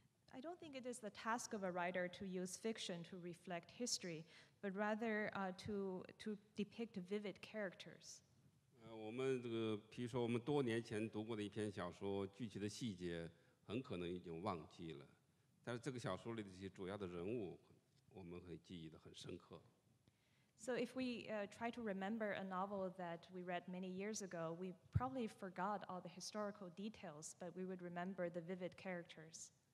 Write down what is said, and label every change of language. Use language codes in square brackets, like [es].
[en] I don't think it is the task of a writer to use fiction to reflect history, but rather to depict vivid characters. [zh] 我们这个，比如说我们多年前读过的一篇小说，具体的细节很可能已经忘记了，但是这个小说里的这些主要的人物，我们会记忆的很深刻。So [en] if we try to remember a novel that we read many years ago, we probably forgot all the historical details, but we would remember the vivid characters.